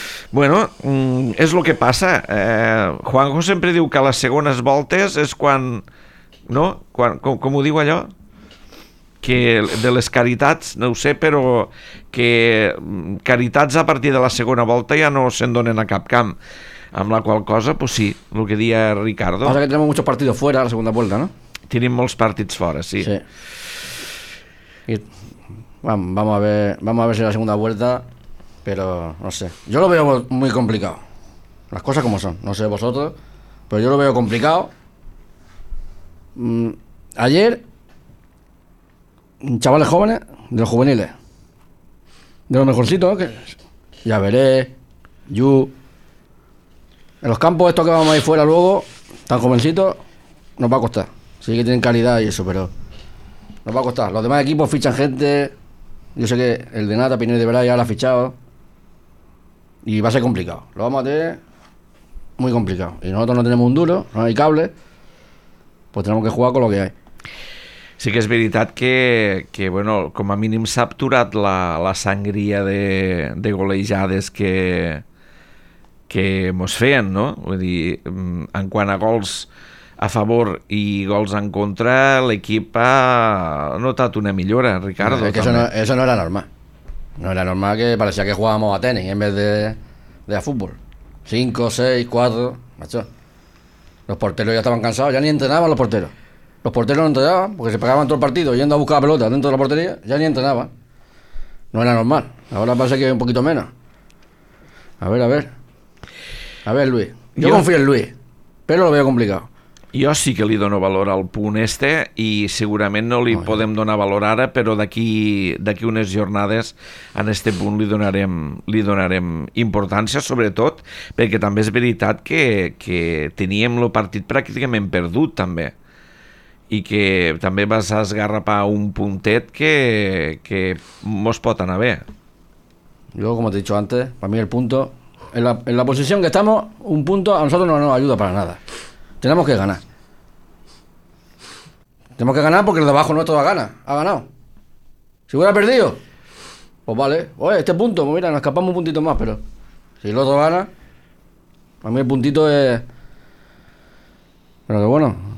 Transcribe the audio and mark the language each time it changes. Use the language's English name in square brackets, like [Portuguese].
[Catalan] Bueno, és el que passa. Juanjo sempre diu que les segones voltes és quan... No? Quan, com ho diu allò? Que de les caritats, no ho sé, però que caritats a partir de la segona volta ja no se'n donen a cap camp. Amb la qual cosa, pues sí, el que deia Ricardo. [Spanish] Pasa [Catalan] que tenim molts partits fora a la segona volta, no? Tenim molts partits fora, sí. Sí. I, [Spanish] vamos a ver [Catalan] si la segona volta... [Spanish] Pero no sé, yo lo veo muy complicado. Las cosas como son, no sé vosotros, pero yo lo veo complicado. Ayer, chavales jóvenes, de los juveniles, de los mejorcitos, que ya veré, Yu, en los campos estos que vamos ahí fuera luego, tan jovencitos, nos va a costar. Sí que tienen calidad y eso, pero nos va a costar. Los demás equipos fichan gente, yo sé que el de Nata, Pinel de Verá, ya lo ha fichado. Y va a ser complicado, lo vamos a tener muy complicado. Y nosotros no tenemos un duro, no hay cable, pues tenemos que jugar con lo que hay. [Catalan] Sí que és veritat que bueno, com a mínim s'ha obturat la sangria de golejades que mos feien, no? Vull dir, en quant a gols a favor i gols en contra, l'equip ha notat una millora, Ricardo. [Spanish] No, [Catalan] és que [Spanish] eso no era normal. No era normal, que parecía que jugábamos a tenis en vez de a fútbol. 5, 6, 4, macho. Los porteros ya estaban cansados, ya ni entrenaban los porteros. Los porteros no entrenaban porque se pegaban todo el partido yendo a buscar pelota dentro de la portería, ya ni entrenaban. No era normal. Ahora parece que hay un poquito menos. A ver, a ver. A ver, Luis. Yo confío en Luis, pero lo veo complicado. [Catalan] Jo sí que li dono valor al punt este, i segurament no li podem donar valor ara, però d'aquí unes jornades en este punt li donarem importància, sobretot perquè també és veritat que teníem el partit pràcticament perdut també, i que també vas a esgarrapar un puntet que mos pot anar bé. [Spanish] Yo, como te he dicho antes, para mí el punto en la posición que estamos, un punto a nosotros no nos ayuda para nada. Tenemos que ganar. Tenemos que ganar porque el de abajo nuestro ha ganado. Si hubiera perdido, pues vale. Oye, este punto, pues mira, nos escapamos un puntito más, pero si el otro gana, para mí el puntito es... Pero que bueno.